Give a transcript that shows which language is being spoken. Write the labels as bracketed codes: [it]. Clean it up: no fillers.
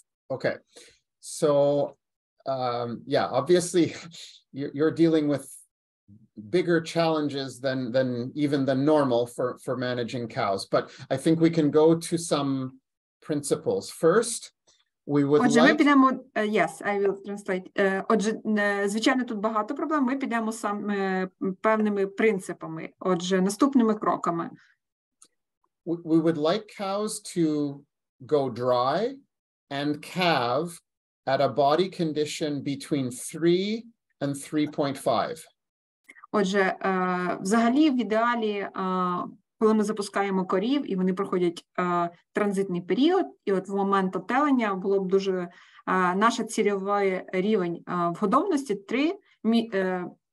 [en] Okay, so obviously you're dealing with bigger challenges than even the normal for managing cows, but I think we can go to some principles. First, we would [uk] Отже, [en] like... [uk] ми підемо, [en] yes, I will translate. [uk] Отже, звичайно, тут багато проблем, ми підемо саме певними принципами, отже, наступними кроками. [en] We would like cows to go dry and calve at a body condition between 3 and 3.5. [uk] Отже, взагалі в ідеалі, коли ми запускаємо корів і вони проходять транзитний період, і от в момент отелення було б дуже наша цільовий рівень вгодовності 3-3.5.